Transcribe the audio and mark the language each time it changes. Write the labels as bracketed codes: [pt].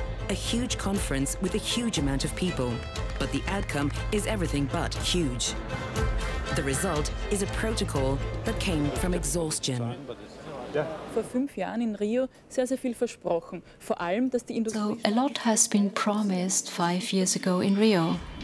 [en] A huge conference with a huge amount of people. But the outcome is everything but huge. The result is a protocol that came from exhaustion. [de] Vor 5 Jahren in Rio sehr, sehr viel versprochen. Vor allem, dass die Industrie. [en] So a lot has been promised 5 years ago in Rio.